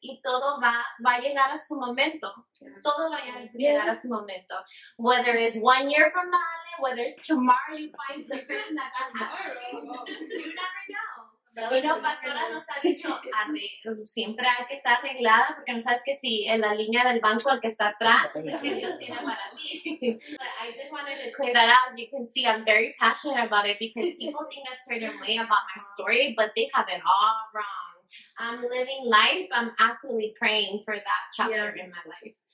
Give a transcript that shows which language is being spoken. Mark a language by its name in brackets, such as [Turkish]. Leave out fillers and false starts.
[Spanish] Y todo va a llegar a su momento. Todo va a llegar a su momento. [English] Whether it's 1 year from now, whether it's tomorrow you find the person that God has. You never know. [Spanish] Bueno, pastora nos ha dicho, siempre hay que estar arreglada, porque no sabes que si en la línea del banco el que está atrás, es que Dios tiene para ti. [English] But I just wanted to clear that out. As you can see, I'm very passionate about it, because people think a certain way about my story, but they have it all wrong. I'm living life, I'm actively praying for that chapter in my life.